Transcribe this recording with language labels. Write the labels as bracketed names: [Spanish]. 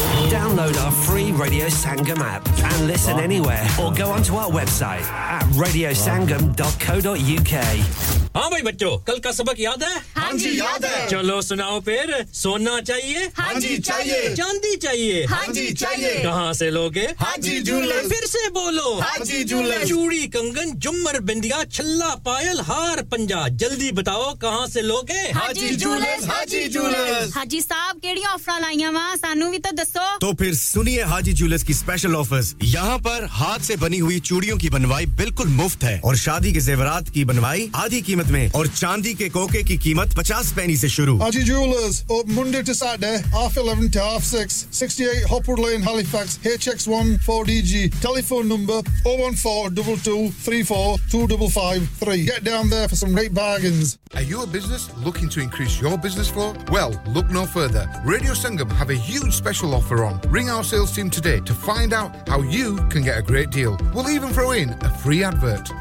[English] Download our free Radio Sangam app and listen anywhere, or go onto our website at radiosangam.co.uk. [Hindi] हाँ भाई बच्चों, कल का सबक याद है? हाँ जी याद है। चलो सुनाओ फिर। सोना चाहिए? हाँ जी चाहिए। चांदी चाहिए? हाँ जी चाहिए। कहाँ से लोगे? हाँ जी झूले। फिर से बोलो। हाँ जी झूले। चूड़ी कंगन जुमर बिंदिया छल्ला पायल हार पंजा, जल्दी बताओ कहाँ से लोगे? हाँ जी झूले। हाँ जी झूले। [Punjabi] हाजी साहब केड़ी ऑफर लाइया वहाँ सानू भी तो दसो। [Hindi] तो फिर सुनिए हाजी ज्वेलर्स की स्पेशल ऑफर्स। यहाँ पर हाथ से बनी हुई चूड़ियों की बनवाई बिल्कुल मुफ्त है, और शादी के जेवरात की बनवाई आधी कीमत में, और चांदी के कोके की कीमत 50 पैनी से शुरू। [English] Haji jewellers open Monday to Saturday half 11 to half 6, 68 Hopwood Lane Halifax HX1 4DG, telephone number 01422342553। Get down there for some great bargains. Are you a business looking to increase your business flow? Well look no further, radio Sangam have a huge special offer on. Ring our sales team today to find out how you can get a great deal. We'll even throw in a free advert.